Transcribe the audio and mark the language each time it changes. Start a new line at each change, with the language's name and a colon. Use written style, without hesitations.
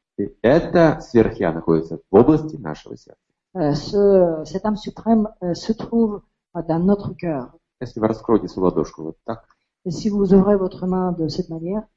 Russian: И это сверхя находится в области нашего сердца.
French: Cet âme suprême se trouve dans notre cœur.
Russian: Если вы раскроете свою ладошку вот так,
French: si vous ouvrez votre main de cette manière,